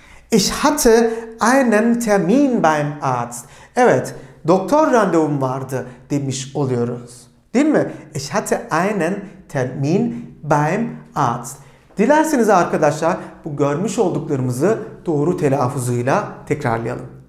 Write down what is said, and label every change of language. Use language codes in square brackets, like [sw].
[de] Ich hatte einen Termin beim Arzt. [tr] Evet, doktor randevum vardı demiş oluyoruz. Değil mi? [de] Ich hatte einen Termin beim Arzt. [tr] Dilerseniz arkadaşlar bu görmüş olduklarımızı doğru telaffuzuyla tekrarlayalım.